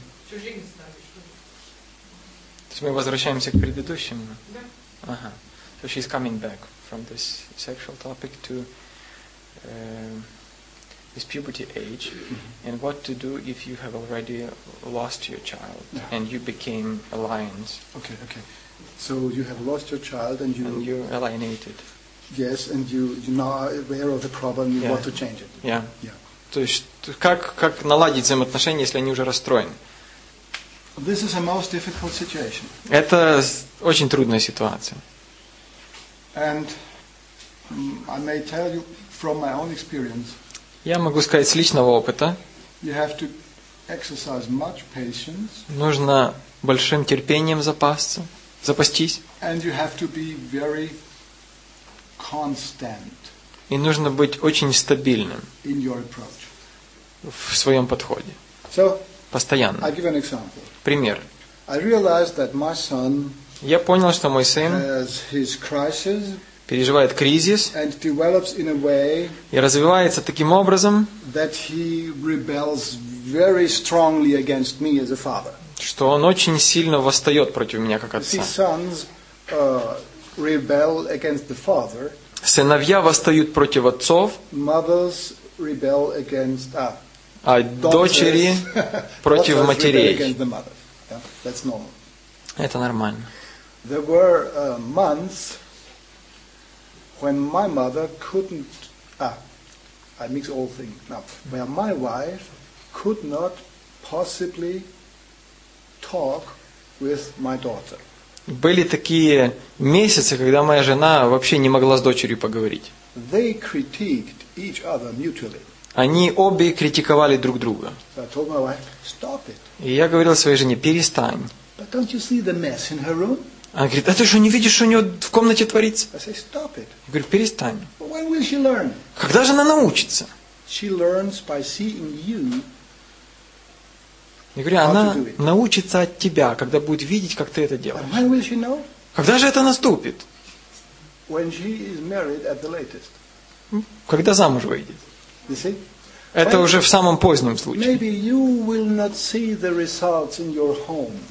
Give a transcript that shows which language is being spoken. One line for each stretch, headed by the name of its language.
Russian: То есть мы возвращаемся к предыдущему? Да. Ага.
English: So she's coming back from this sexual topic to this puberty age. Mm-hmm. And what to do if you have already lost your child, yeah, and you became alliance. Okay, okay. So you have lost your child and you... And you're alienated. Yes, and you now are aware of the problem, you, yeah, want to change it. Yeah. Yeah.
Russian: То есть, как наладить взаимоотношения, если они уже расстроены?
English: This is a most difficult situation.
Russian: Это очень трудная ситуация.
English: And I may tell you from my own experience.
Russian: Я могу сказать с личного опыта.
English: You have to exercise much patience.
Russian: Нужно большим терпением запастись.
English: And you have to be very constant.
Russian: И нужно быть очень стабильным
English: in your approach.
Russian: В своем подходе.
English: So,
Russian: постоянно.
English: I give an example.
Russian: Пример.
English: I realized that my son,
Russian: я понял, что мой сын
English: has his crisis,
Russian: переживает кризис
English: and develops in a way,
Russian: и развивается таким образом,
English: that he rebels very strongly against me as a father.
Russian: Что он очень сильно восстает против меня как отца.
English: See, sons, rebel against the father.
Russian: Сыновья восстают против отцов,
English: mothers rebel against,
Russian: а дочери против матерей.
English: That's normal.
Russian: Это нормально.
English: There were months when my mother couldn't, I mix all things up, where my wife could not possibly talk with my daughter.
Russian: Были такие месяцы, когда моя жена вообще не могла с дочерью поговорить.
English: They critiqued each other mutually.
Russian: Они обе критиковали друг друга.
English: So I told my wife, stop it.
Russian: И я говорил своей жене, перестань.
English: But don't you see the mess in her room?
Russian: Она говорит, а ты что, не видишь, что у нее в комнате творится?
English: I say, stop it.
Russian: Я говорю, перестань.
English: But when will she learn?
Russian: Когда же она научится?
English: She learns by seeing you.
Russian: Я говорю, она научится от тебя, когда будет видеть, как ты это делаешь.
English: When will she know?
Russian: Когда же это наступит?
English: When she is married at the latest.
Russian: Когда замуж выйдет.
English: You see?
Russian: Это
English: when,
Russian: уже в самом позднем случае.
English: Maybe you will not see the results in your home.